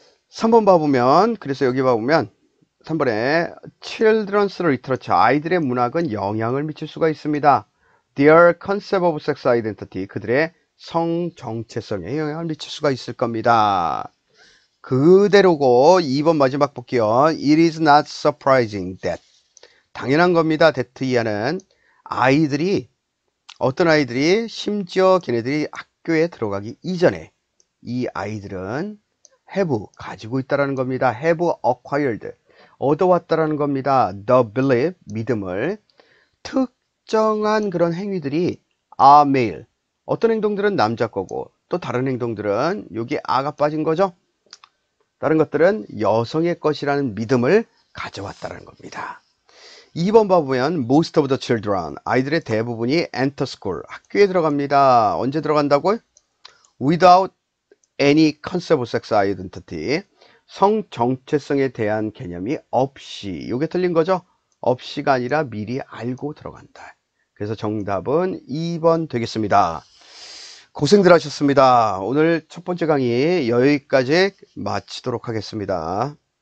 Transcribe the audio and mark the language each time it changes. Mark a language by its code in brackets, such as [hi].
[ko] 3번 봐보면, 그래서 여기 봐보면, 3번에 [en] children's literature, [ko] 아이들의 문학은 영향을 미칠 수가 있습니다. [en] Their concept of sex identity, [ko] 그들의 성 정체성에 영향을 미칠 수가 있을 겁니다. 그대로고 2번 마지막 볼게요. [en] It is not surprising that [ko] 당연한 겁니다. that 이하는 아이들이 어떤 아이들이 심지어 걔네들이 학교에 들어가기 이전에 이 아이들은 have 가지고 있다라는 겁니다. have acquired 얻어왔다라는 겁니다. [en] The belief, [ko] 믿음을 특정한 그런 행위들이 [en] are male. [ko] 어떤 행동들은 남자 거고 또 다른 행동들은 여기 아가 빠진 거죠. 다른 것들은 여성의 것이라는 믿음을 가져왔다라는 겁니다. 2번 봐보면 [en] most of the children, [ko] 아이들의 대부분이 [en] enter school, [ko] 학교에 들어갑니다. 언제 들어간다고요? [en] Without any concept of sex identity. [ko] 성 정체성에 대한 개념이 없이, 요게 틀린 거죠? 없이가 아니라 미리 알고 들어간다. 그래서 정답은 2번 되겠습니다. 고생들 하셨습니다. 오늘 첫 번째 강의 여기까지 마치도록 하겠습니다.